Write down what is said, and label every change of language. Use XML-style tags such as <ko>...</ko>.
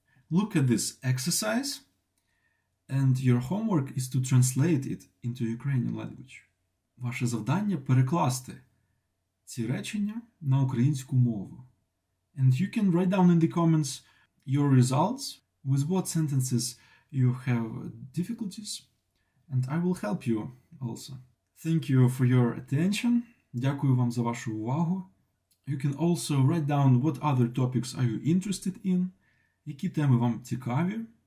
<en>Look at this exercise, and your homework is to translate it into Ukrainian language.</en> <uk>Ваше завдання – перекласти ці речення на українську мову.</uk> <en>And you can write down in the comments your results, with what sentences you have difficulties, and I will help you also. Thank you for your attention.</en> <uk>Дякую вам за вашу увагу.</uk> <en>You can also write down what other topics are you interested in,</en> <uk>які теми вам цікаві.</uk>